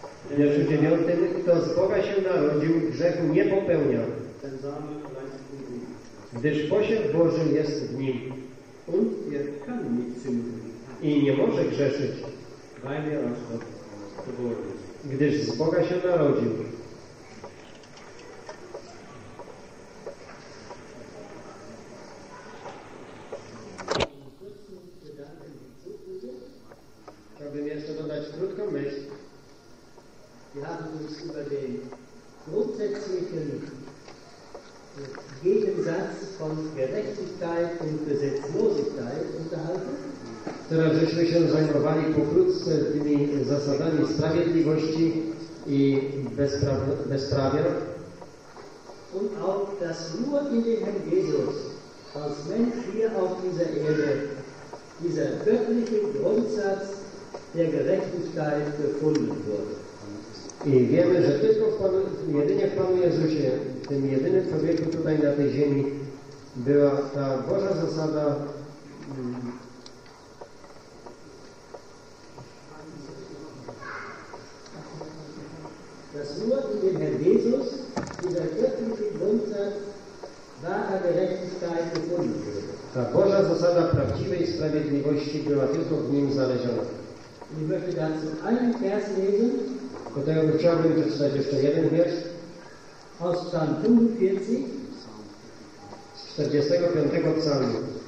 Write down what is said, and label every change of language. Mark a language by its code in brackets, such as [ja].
[pl] W wierszu 9, kto z Boga się narodził, grzechu nie popełnia, gdyż posiew Boży jest w nim i nie może grzeszyć, gdyż z Boga się narodził. Chciałbym jeszcze dodać krótką myśl. [de] Wir haben uns über den grundsätzlichen Gegensatz von Gerechtigkeit und Gesetzlosigkeit unterhalten. [pl] Teraz żeśmy się zajmowali pokrótce tymi zasadami sprawiedliwości i bezprawia. [de] Und auch, dass nur in dem Herrn Jesus als Mensch hier auf dieser Erde dieser göttliche Grundsatz der Gerechtigkeit gefunden wurde. [pl] I wiemy, że tylko jedynie w Panu Jezusie, tym jedynym człowieku tutaj na tej ziemi, była ta Boża zasada [de] das nur in dem Herrn Jesus, dieser göttliche Grundsatz wahrer Gerechtigkeit gefunden wurde. [pl] Ta Boża zasada prawdziwej sprawiedliwości była tylko w nim znaleziona. [de] Ich möchte dazu einen Vers lesen. [pl] Do tego chciałbym przeczytać jeszcze jeden wiersz. [de] Aus Psalm 45. [pl] Z 45. Psalmu.